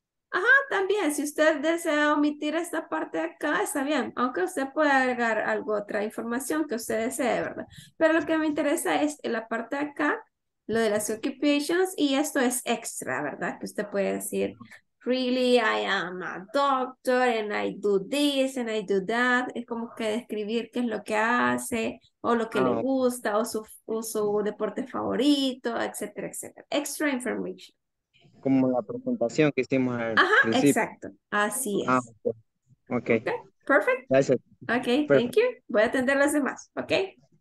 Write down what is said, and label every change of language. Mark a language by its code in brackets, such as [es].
[es] Ajá, también, si usted desea omitir esta parte de acá, está bien, aunque usted pueda agregar algo, otra información que usted desee, ¿verdad? Pero lo que me interesa es la parte de acá, lo de las occupations, y esto es extra, ¿verdad? Que usted puede decir, [en] really, I am a doctor and I do this and I do that. [es] Es como que describir qué es lo que hace o lo que le gusta o su deporte favorito, etcétera, etcétera. [en] Extra information. [es] Como la presentación que hicimos al principio. Exacto. Así es. [en] Okay. Perfect. [es] Gracias. [en] Okay, perfect. Thank you. [es] Voy a atender a los demás, okay?